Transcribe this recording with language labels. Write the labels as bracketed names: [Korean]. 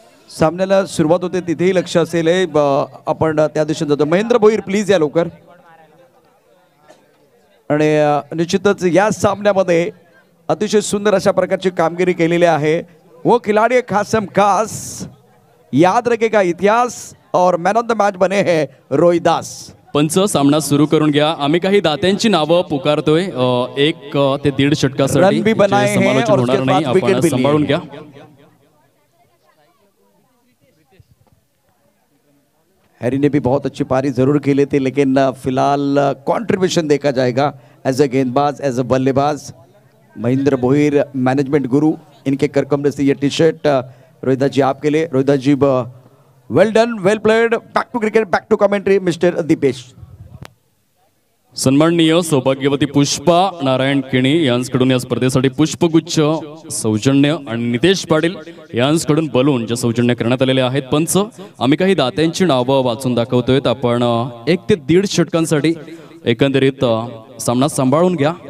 [Marathi] सामन्याला सुरुवात होते तिथेही लक्ष असेल आपण त्या दिशेने जातो. महेंद्र भोईर प्लीज या लवकर. आणि निश्चितच या सामन्यामध्ये अतिशय सुंदर अशा प्रकारची कामगिरी केलेली आहे. [Hindi] वो खिलाडी खासम खास, याद रखेगा इतिहास और मॅन ऑफ द मॅच बने है रोहिदास. [Marathi] पंच सामना सुरू करून घ्या. आम्ही काही दात्यांची नावं पुकारतोय एक ते दीड षटकासाठी, समालोचन होणार नाही, आपण सांभाळून घ्या. [Hindi] हॅरी ने भी बहुत अच्छी पारी जरूर खेली थी, लेकिन फिलहाल कॉन्ट्रीब्यूशन देखा जाएगा एज अ गेंदबाज एज अ बल्लेबाज. महेंद्र भोईर मैनेजमेंट गुरु, इनके करकमरे से ये टी शर्ट रोहिदास जी आपके लिए. [English] Rohidas ji well done, well played. Back to cricket, back to commentary mister Deepesh. [Marathi] सन्माननीय सौभाग्यवती पुष्पा नारायण किणी यांच्याकडून या स्पर्धेसाठी पुष्पगुच्छ सौजन्य आणि नितेश पाटील यांच्याकडून बलून जे सौजन्य करण्यात आलेले आहेत. पंच आम्ही काही दात्यांची नावं वाचून दाखवतोय. आपण एक ते दीड षटकांसाठी एकंदरीत सामना सांभाळून घ्या.